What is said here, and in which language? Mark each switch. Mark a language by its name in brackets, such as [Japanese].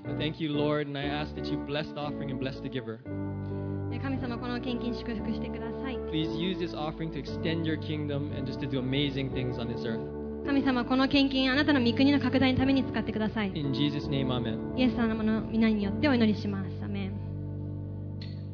[English] Thank you, Lord, and I ask that you bless the offering and bless the giver. [Japanese] 神様、この献金祝福してください。 [English] Please use this offering to extend your kingdom and just to do amazing things on this earth. [Japanese] 神様、この献金、あなたの御国の拡大のために使ってください。 [English] In Jesus' name, Amen. [Japanese] イエス様の御名によってお祈りします。アメン。